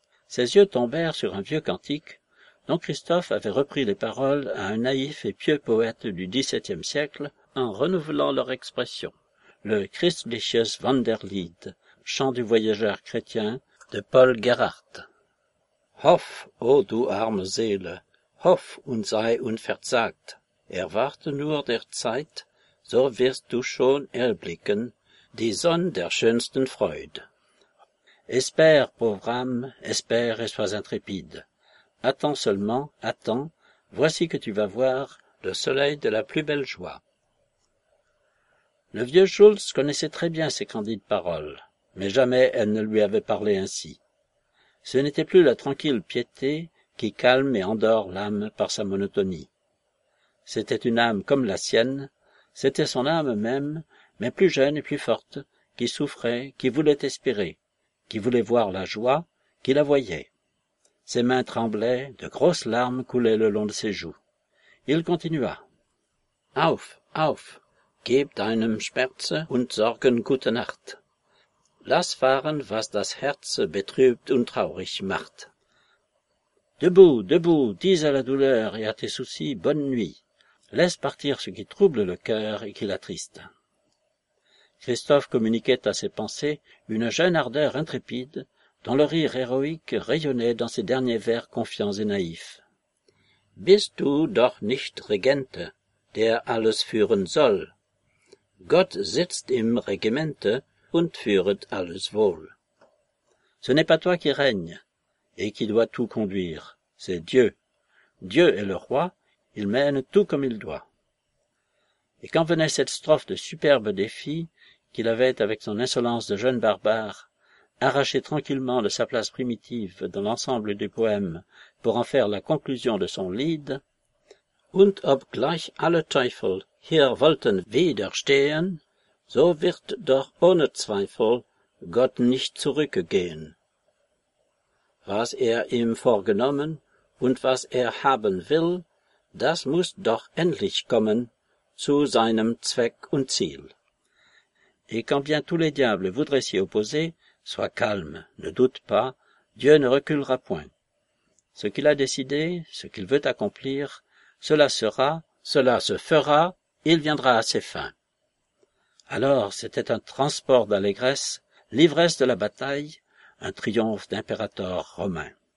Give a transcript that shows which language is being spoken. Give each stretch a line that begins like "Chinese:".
French: Ses yeux tombèrent sur un vieux cantique dont Christophe avait repris les paroles à un naïf et pieux poète du XVIIe siècle en renouvelant leur expression, le « Christliches Wanderlied », chant du voyageur chrétien de Paul Gerhardt.
German: Hoff, o du arme Seele, hoff und sei unverzagt, erwarte nur der Zeit, so wirst du schon erblicken die Sonne der schönsten Freude.
French: Espère, pauvre âme, espère et sois intrépide. Attends seulement, attends, voici que tu vas voir le soleil de la plus belle joie. Le vieux Schultz connaissait très bien ces candides paroles, mais jamais elle ne lui avait parlé ainsi. Ce n'était plus la tranquille piété qui calme et endort l'âme par sa monotonie. C'était une âme comme la sienne, c'était son âme même, mais plus jeune et plus forte, qui souffrait, qui voulait espérer, qui voulait voir la joie, qui la voyait. Ses mains tremblaient, de grosses larmes coulaient le long de ses joues. Il continua.
German: « Auf, auf, gib deinem Schmerze und Sorgen gute Nacht. » Lass fahren, was das Herz betrübt und traurig macht.
French: Debout, debout, dis à la douleur et à tes soucis bonne nuit. Laisse partir ce qui trouble le cœur et qui l'attriste. Christophe communiquait à ses pensées une jeune ardeur intrépide dont le rire héroïque rayonnait dans ses derniers vers confiants et naïfs.
German: Bist du doch nicht Regente, der alles führen soll? Gott sitzt im Regimente, und führet alles wohl.
French: Ce n'est pas toi qui règne et qui doit tout conduire, c'est Dieu. Dieu est le roi, il mène tout comme il doit. Et quand venait cette strophe de superbe défi qu'il avait avec son insolence de jeune barbare, arrachée tranquillement de sa place primitive dans l'ensemble du poème pour en faire la conclusion de son lied,
German: und obgleich alle Teufel hier wollten widerstehen, so wird doch ohne Zweifel Gott nicht zurückgehen. Was er ihm vorgenommen und was er haben will, das muß doch endlich kommen, zu seinem Zweck und Ziel.
French: Et quand bien tous les diables voudraient s'y opposer, sois calme, ne doute pas, Dieu ne reculera point. Ce qu'il a décidé, ce qu'il veut accomplir, cela sera, cela se fera, il viendra à ses fins. Alors c'était un transport d'allégresse, l'ivresse de la bataille, un triomphe d'impérateur romain.